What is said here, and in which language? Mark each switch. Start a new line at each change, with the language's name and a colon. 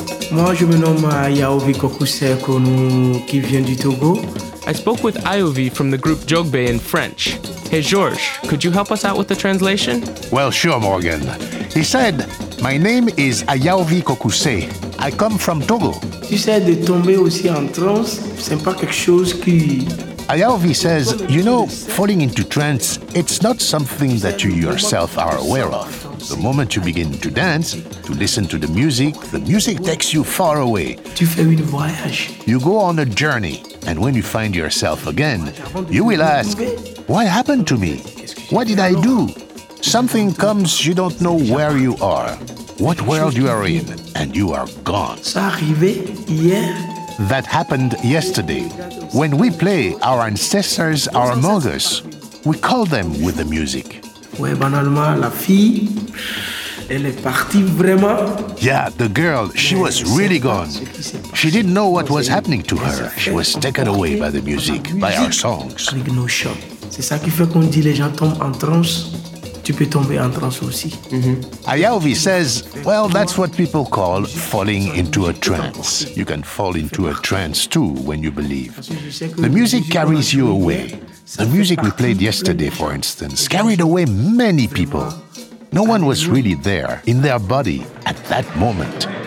French: Moi, je me nomme Yaovi Kokuseko, qui vient du Togo.
English: I spoke with Ayovi from the group Djogbe in French. Hey, Georges, could you help us out with the translation? Well, sure, Morgan. He said, my name is Ayaovi Kokuse. I come from Togo.
French: Tu sais, de tomber aussi en trance, c'est pas quelque chose qui...
English: Ayaovi says, you know, falling into trance, it's not something that you yourself are aware of. The moment you begin to dance, to listen to the music takes you far away.
French: Tu fais une voyage.
English: You go on a journey, and when you find yourself again, you will ask, what happened to me? What did I do? Something comes, you don't know where you are, what world you are in, and you are gone.
French: Ça arrivait hier.
English: That happened yesterday. When we play, our ancestors are among us. We call them with the music.
French: Ouais, banalement, la fille, elle est partie vraiment.
English: Yeah, the girl, she was really gone. She didn't know what was happening to her. She was taken away by the music, by our songs.
French: Avec nos chants. C'est ça qui fait qu'on dit les gens tombent en transe. Tu peux tomber en transe aussi. Mm-hmm.
English: Ayaovi says, well, that's what people call falling into a trance. You can fall into a trance too when you believe. The music carries you away. The music we played yesterday, for instance, carried away many people. No one was really there in their body at that moment.